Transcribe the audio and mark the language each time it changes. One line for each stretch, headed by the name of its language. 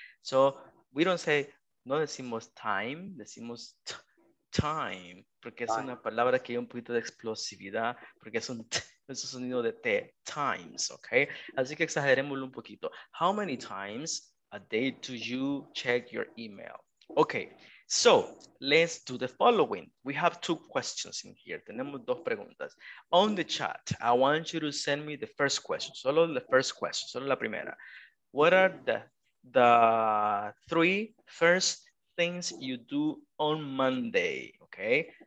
Spanish: So we don't say, no decimos time, decimos time. Porque es una palabra que hay un poquito de explosividad, porque es un sonido de T, times, okay? Así que exageremos un poquito.
English: How many times a day do you check your email? Okay, so let's do the following. We have two questions in here.
Spanish: Tenemos dos preguntas.
English: On the chat, I want you to send me the first question. Solo the first question,
Spanish: solo la primera.
English: What are the three first things you do on Monday, okay?